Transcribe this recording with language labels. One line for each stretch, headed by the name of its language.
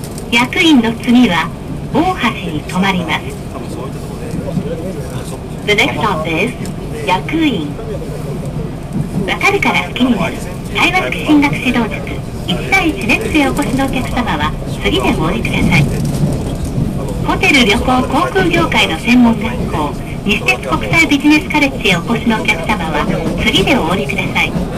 Japanese: 薬院の次は大橋に止まります。
English: The next stop is 薬院。
Japanese: わかるから好きになる対話式進学指導塾1対1レッスンへお越しのお客様は次でお降りください。ホテル旅行航空業界の専門学校西鉄国際ビジネスカレッジへお越しのお客様は次でお降りください。